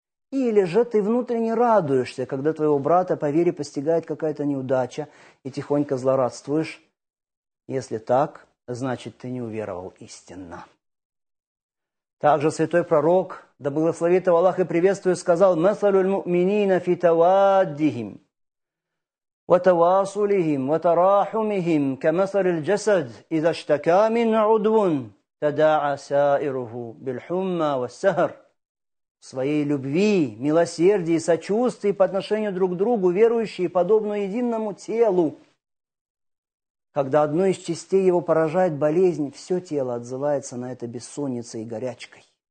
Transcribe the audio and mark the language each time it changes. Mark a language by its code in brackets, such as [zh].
[ru] Или же ты внутренне радуешься, когда твоего брата по вере постигает какая-то неудача и тихонько злорадствуешь? Если так, значит, ты не уверовал истинно. Также святой пророк, да благословит его Аллах и приветствую, сказал: [ar] «Масалюль муминина фи таваддихим». وتواصلهم وتراحمهم كمثل الجسد إذا اشتكى من عضو تداعى سائره بالحمى والسهر. [ru] В своей любви, милосердии и сочувствии по отношению друг к другу верующие подобно единому телу. Когда одну из частей его поражает болезнь, все тело отзывается на это бессонницей и горячкой.